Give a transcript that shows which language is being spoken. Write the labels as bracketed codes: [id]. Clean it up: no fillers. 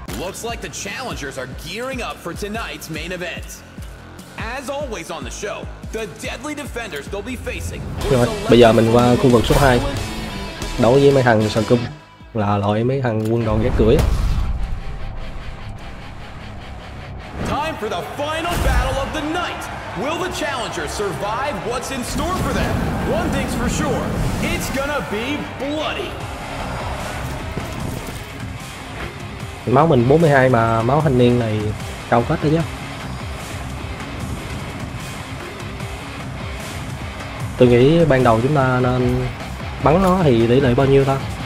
[en] Looks like the challengers are gearing up for tonight's main event. As always on the show, the deadly defenders they'll be facing. [vi] Rồi, bây giờ mình qua khu vực số 2. Đấu với mấy thằng sờ cung, là loại mấy thằng quân đoàn ghét cưỡi. [en] Time for the final battle of the night. Will the challengers survive what's in store for them? One thing's for sure, it's gonna be bloody. [vi] Máu mình 42 mà máu thanh niên này cao kết đấy nhá. Tôi nghĩ ban đầu chúng ta nên bắn nó thì tỷ lệ bao nhiêu ta?